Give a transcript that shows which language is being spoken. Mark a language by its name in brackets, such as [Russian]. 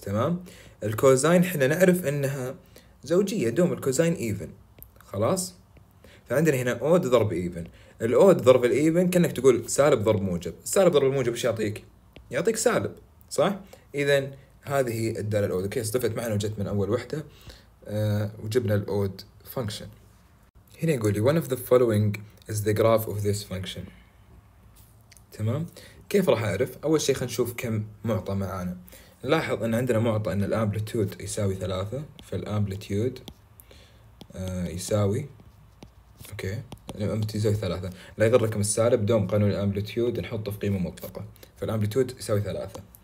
[Arabic] تمام، الكوزين حنا نعرف أنها زوجية، دوم الكوزين even خلاص، فعندنا هنا odd ضرب even. ال odd ضرب ال even كأنك تقول سالب ضرب موجب. سالب ضرب الموجب إيش يعطيك؟ يعطيك سالب، صح؟ إذن هذه هي الدالة الأود. كيف استفدت معنا وجدت من أول وحدة وجبنا الأود function. هنا يقول لي [English] one of the following is the graph of this function. [Arabic] تمام، كيف راح أعرف؟ أول شيء خلينا نشوف كم معطى معانا. نلاحظ أن عندنا معطى أن الامبليتود يساوي 3، فالامبليتود يساوي أوكي الامبليتود يساوي 3. لا يغركم السالب، دوم قانون الامبليتود نحطه في قيمة مطلقة، فالامبليتود يساوي 3.